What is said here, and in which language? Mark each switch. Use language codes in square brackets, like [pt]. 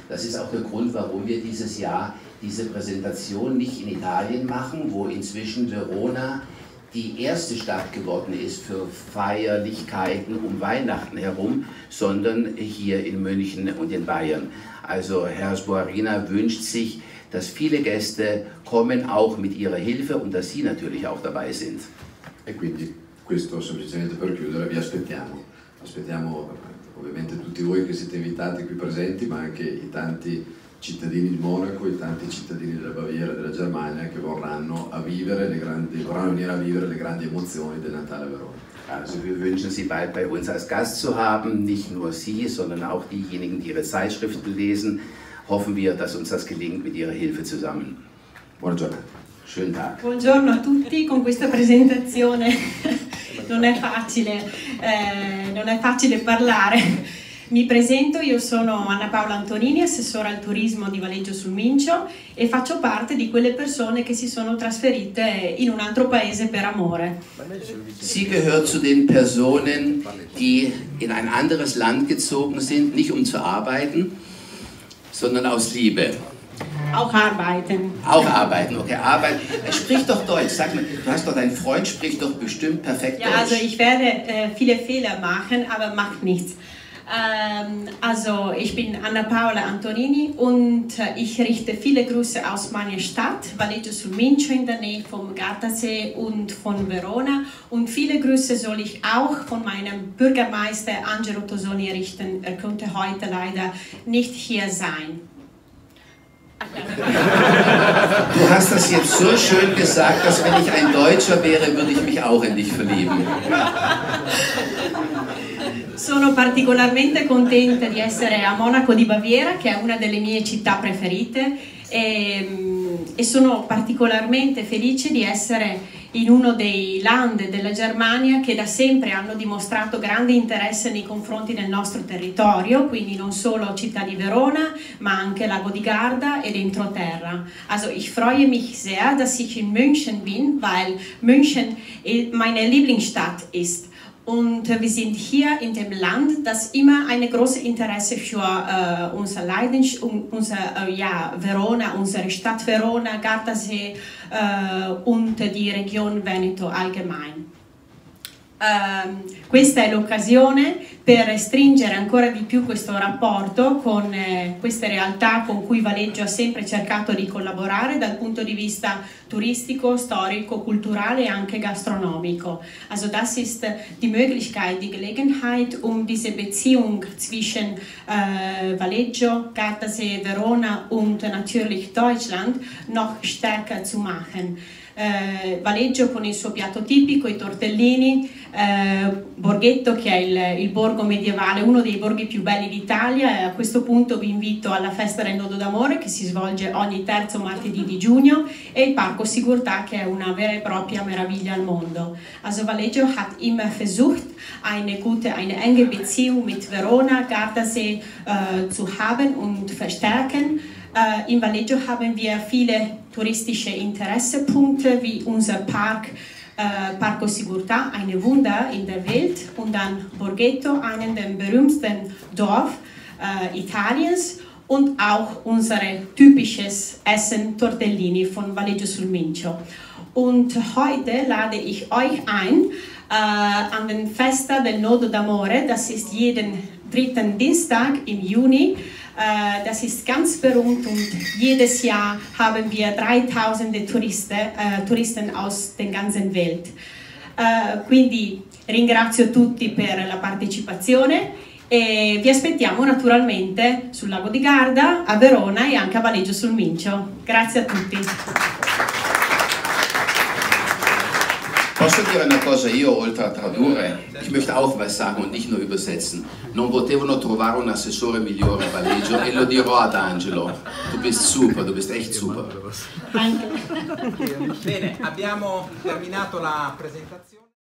[de] Das ist auch der Grund, warum wir dieses Jahr diese Präsentation nicht in Italien machen, wo inzwischen Verona die erste Stadt geworden ist für Feierlichkeiten um Weihnachten herum, sondern hier in München und in Bayern. Also Herr Sboarina wünscht sich, dass viele Gäste kommen, auch mit ihrer Hilfe, und dass Sie natürlich auch dabei sind. [it] E quindi, questo semplicemente per chiudere, vi aspettiamo. Aspettiamo ovviamente tutti voi che siete invitati qui presenti, ma anche i tanti cittadini di Monaco, i tanti cittadini della Baviera e della Germania che vorranno venire a vivere le grandi emozioni del Natale a Verona. [de] Also wir wünschen Sie bald bei uns als Gast zu haben, nicht nur Sie, sondern auch diejenigen, die Ihre Zeitschrift lesen. Hoffen wir, dass uns das gelingt mit Ihrer Hilfe zusammen. [it] Buona giornata. [de] Schönen Tag. [it] Buongiorno a tutti con questa presentazione. Non è facile parlare. Mi presento, io sono Anna Paola Antonini, assessora al turismo di Valeggio sul Mincio, e faccio parte di quelle persone che si sono trasferite in un altro paese per amore. [de] Sie gehört zu den Personen, die in ein anderes Land gezogen sind, nicht um zu arbeiten, sondern aus Liebe. Auch arbeiten. Auch arbeiten, okay. Arbeiten. Sprich doch Deutsch, sag mal, du hast doch deinen Freund, sprich doch bestimmt perfekt Deutsch. Ja, also ich werde viele Fehler machen, aber macht nichts. Also ich bin Anna Paola Antonini und ich richte viele Grüße aus meiner Stadt, Valeggio sul Mincio, in der Nähe vom Gardasee und von Verona. Und viele Grüße soll ich auch von meinem Bürgermeister Angelo Tosoni richten. Er konnte heute leider nicht hier sein. Du hast das jetzt so schön gesagt, dass wenn ich ein Deutscher wäre, würde ich mich auch in dich verlieben. [it] Sono particolarmente contenta di essere a Monaco di Baviera, che è una delle mie città preferite, e sono particolarmente felice di essere in uno dei land della Germania che da sempre hanno dimostrato grande interesse nei confronti del nostro territorio, quindi non solo città di Verona, ma anche Lago di Garda ed entroterra. [de] Also ich freue mich sehr, dass ich in München bin, weil München meine Lieblingsstadt ist. Und wir sind hier in dem Land, das immer ein großes Interesse für unsere Leidenschaft, Verona, unsere Stadt Verona, Gardasee und die Region Veneto allgemein. [it] Questa è l'occasione per stringere ancora di più questo rapporto con queste realtà con cui Valeggio ha sempre cercato di collaborare dal punto di vista turistico, storico, culturale e anche gastronomico. [de] Also das ist die Möglichkeit, die Gelegenheit, um diese Beziehung zwischen Valeggio, Gardasee, Verona und natürlich Deutschland noch stärker zu machen. [it] Valeggio con il suo piatto tipico, i tortellini, Borghetto, che è il borgo medievale, uno dei borghi più belli d'Italia. A questo punto vi invito alla festa del Nodo d'Amore, che si svolge ogni terzo martedì di giugno, e il Parco Sigurtà, che è una vera e propria meraviglia al mondo. [de] Also Valeggio hat immer versucht, eine enge Beziehung mit Verona, Gardasee zu haben und verstärken. In Valeggio haben wir viele touristische Interessepunkte, wie unser Park, Parco Sigurtà, eine Wunder in der Welt, und dann Borghetto, einen der berühmtesten Dorf Italiens, und auch unser typisches Essen, Tortellini von Valeggio sul Mincio. Und heute lade ich euch ein an den Festa del Nodo d'Amore. Das ist jeden dritten Dienstag im Juni. Das ist ganz berühmt und jedes Jahr haben wir 3000 Touristen aus der ganzen Welt. [it] Quindi ringrazio tutti per la partecipazione e vi aspettiamo naturalmente sul Lago di Garda, a Verona e anche a Valeggio sul Mincio. Grazie a tutti. Posso dire una cosa io oltre a tradurre? [de] Ich möchte auch was sagen und nicht nur übersetzen. [it] Non potevano trovare un assessore migliore a Valeggio e lo dirò ad Angelo. [de] Tu bist super, du bist echt super. [it] Bene, abbiamo terminato la presentazione.